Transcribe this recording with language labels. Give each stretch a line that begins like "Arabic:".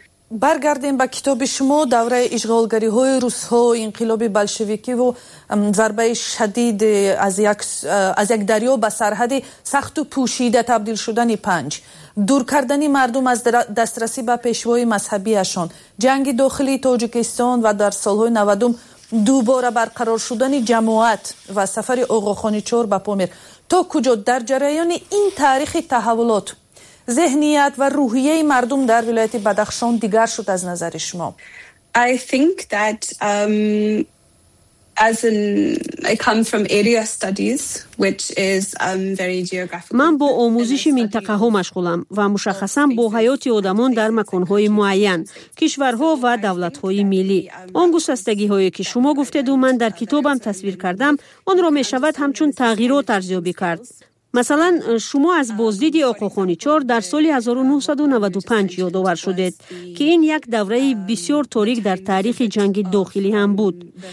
Persian: برگردیم به کتاب شما دوره اشغالگری های روس‌ها، انقلاب بلشویکی و ضربه شدید از یک دریا به سرحد سخت و پوشیده تبدیل شدن پنج، دور کردن مردم از دسترسی به پیشوای مذهبیشان، جنگ داخلی تاجیکستان و در سالهای 90 دوباره برقرار شدن جماعت و سفر آقاخان چار به پامیر، تا کجا در جریان این تاریخ تحولات ذهنیت و روحیه مردم در ولایت بدخشان دیگر شد از نظر شما؟
English: I think that as in I come from area studies which is very geographical.
Persian: من با آموزش منطقه ها مشغولم و مشخصا با حیات آدمان در مکان های معین، کشورها و دولت های ملی. اون گسستگی هایی که شما گفتید و من در کتابم تصویر کردم، اون رو می شود همچون تغییرات ارزیابی کرد. مثلا شما از بازدید آقاخانی چار در سال 1995 یادآور شدید که این یک دوره بسیار تاریک در تاریخ جنگ داخلی هم بود.